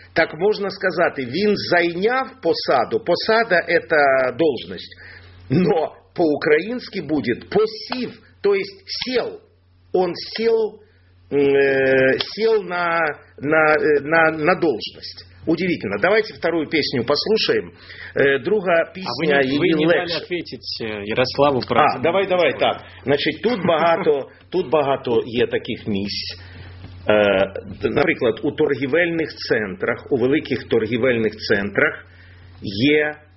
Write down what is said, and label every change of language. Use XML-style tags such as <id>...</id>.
<ru>Так можно сказать,</ru> <uk>він зайняв посаду.</uk> <ru>Посада – это должность. Но по-украински будет посів, то есть сел. Он сел сел на должность. Удивительно. Давайте вторую песню послушаем. Другая песня и легче. Вы не дали ответить Ярославу про... Давай так.</ru> <uk>Значит, тут багато є таких місць. Наприклад, у торгівельних центрах, у великих торгівельних центрах є...</uk>